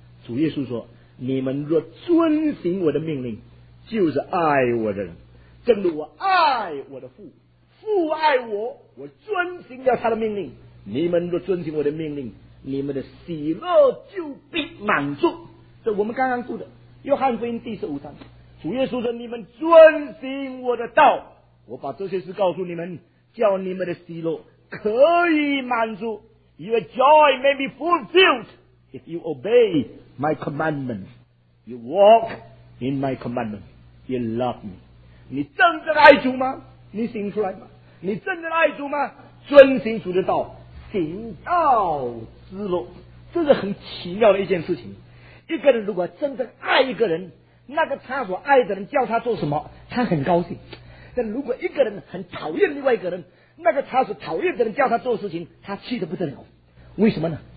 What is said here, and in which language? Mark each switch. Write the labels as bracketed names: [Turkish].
[Chinese] 主耶稣说，你们若遵行我的命令，就是爱我的人，正如我爱我的父，父爱我，我遵行了他的命令，你们若遵行我的命令，你们的喜乐就必满足。这我们刚刚读的约翰福音第十五章，主耶稣说，你们遵行我的道，我把这些事告诉你们，叫你们的喜乐可以满足。 [English] Your joy may be fulfilled if you obey my commandments, you walk in my commandments, you love me. [Chinese] 你真的爱主吗？你行出来吗？你真的爱主吗？遵行主的道，行道之路，这是很奇妙的一件事情。一个人如果真的爱一个人，那个他所爱的人叫他做什么，他很高兴。但如果一个人很讨厌另外一个人，那个他所讨厌的人叫他做事情，他气得不得了。为什么呢？